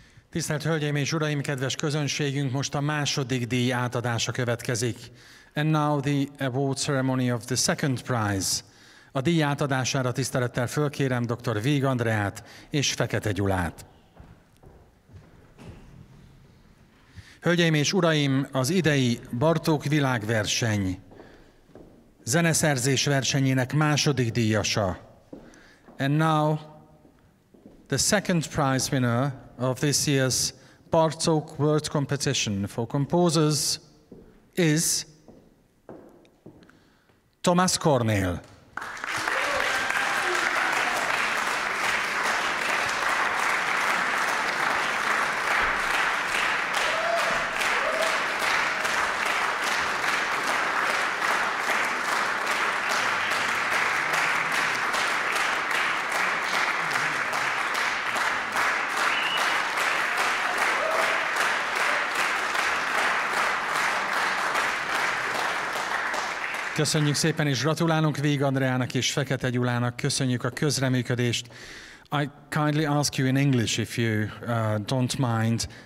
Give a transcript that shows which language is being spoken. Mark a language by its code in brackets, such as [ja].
[hu] Tisztelt Hölgyeim és Uraim, kedves közönségünk, most a második díj átadása következik. [en] And now the award ceremony of the second prize. [hu] A díj átadására tisztelettel fölkérem Dr. Vigh Andreát és Fekete Gyulát. Hölgyeim és Uraim, az idei Bartók világverseny zeneszerzés versenyének második díjasa. [en] And now the second prize winner of this year's Bartók World Competition for Composers is Thomas Kornél. [hu] Köszönjük szépen, és gratulálunk Vigh Andreának és Fekete Gyulának. Köszönjük a közreműködést. [en] I kindly ask you in English, if you don't mind.